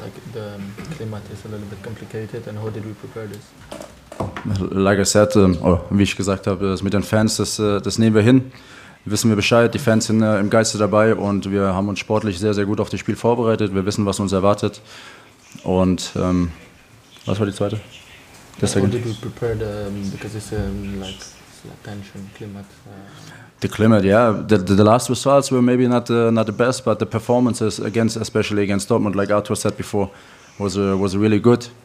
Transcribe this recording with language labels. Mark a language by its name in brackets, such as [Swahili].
[English] Like the climate is a little bit complicated. And how did we prepare this? Like I said, [German] wie ich gesagt habe, das mit den Fans, das nehmen wir hin. Wissen wir Bescheid. Die Fans sind im Geiste dabei, und wir haben uns sportlich sehr, sehr gut auf das Spiel vorbereitet. Wir wissen, was uns erwartet. Und was war die zweite? [English] How did we prepare the, because it's like tension, climate. The climate, yeah. The last results were maybe not the best, but the performances against, especially against Dortmund, like Arthur said before, was really good.